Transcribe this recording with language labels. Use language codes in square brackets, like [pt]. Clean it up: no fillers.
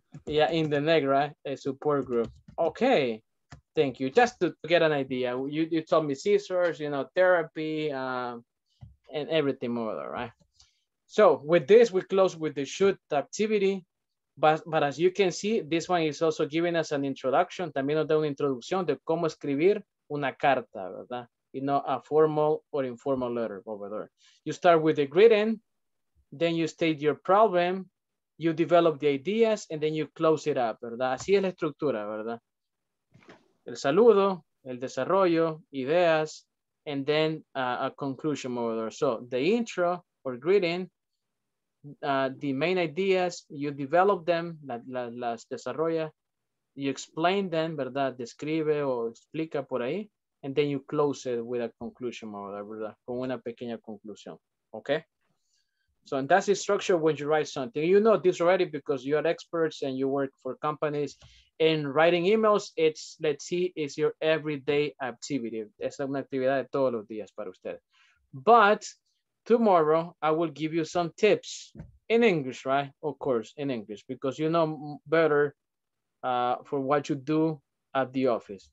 [en] Yeah, in the neck, right? A support group. Okay, thank you. Just to get an idea, you told me scissors, you know, therapy, and everything more, right? So with this, we close with the shoot activity. But as you can see, this one is also giving us an introduction. [es] También nos da una introducción de cómo escribir una carta, ¿verdad? [en] You know, a formal or informal letter over there. You start with the greeting. Then you state your problem, you develop the ideas, and then you close it up, [es] ¿verdad? Así es la estructura, ¿verdad? El saludo, el desarrollo, ideas, [en] and then a conclusion over. So the intro or greeting, the main ideas, you develop them, [es] las desarrolla, [en] you explain them, [es] ¿verdad? Describe o explica por ahí, [en] and then you close it with a conclusion over, [es] ¿verdad? Con una pequeña conclusión, ¿ok? [en] So, and that's the structure when you write something. You know this already because you are experts and you work for companies. And writing emails, it's your everyday activity. [es] Es una actividad de todos los días para usted. [en] But tomorrow, I will give you some tips in English, right? Of course, in English, because you know better for what you do at the office.